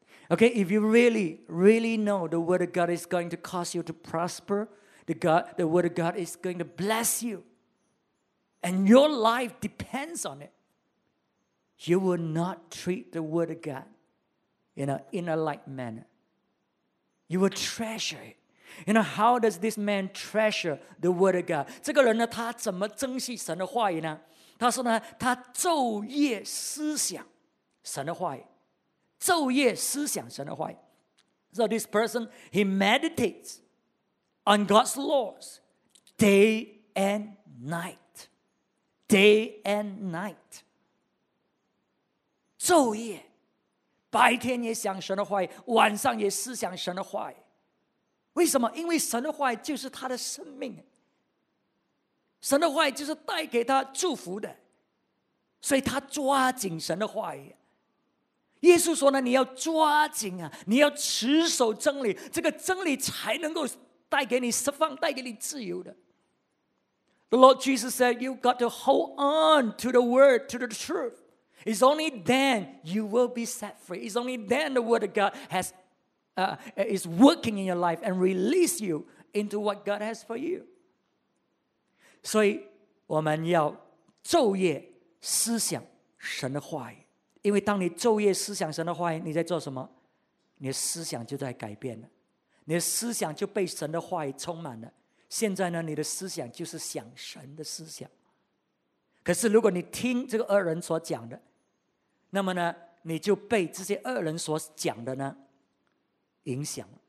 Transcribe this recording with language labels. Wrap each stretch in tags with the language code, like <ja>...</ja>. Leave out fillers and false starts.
<en>Okay, if you really, really know the word of God is going to cause you to prosper, the word of God is going to bless you, and your life depends on it, you will not treat the word of God in a light manner. You will treasure it. You know, how does this man treasure the word of God?</en> <zh>这个人呢，他怎么珍惜神的话语呢？他说呢，他昼夜思想神的话语，昼夜思想神的话语。</zh> <en>So this person, he meditates on God's laws day and night. Day and night.</en> <zh>昼夜，白天也想神的话语，晚上也思想神的话语。为什么？因为神的话语就是他的生命，神的话语就是带给他祝福的，所以他抓紧神的话语。耶稣说呢，你要抓紧啊，你要持守真理，这个真理才能够带给你释放，带给你自由的。</zh> <en>The Lord Jesus said, you've got to hold on to the word, to the truth. It's only then you will be set free. It's only then the word of God has is working in your life and release you into what God has for you.</en> <zh>所以我们要昼夜思想神的话语，因为当你昼夜思想神的话语，你在做什么？你的思想就在改变了，你的思想就被神的话语充满了。现在呢，你的思想就是想神的思想。可是如果你听这个恶人所讲的，那么呢，你就被这些恶人所讲的呢影响。</zh>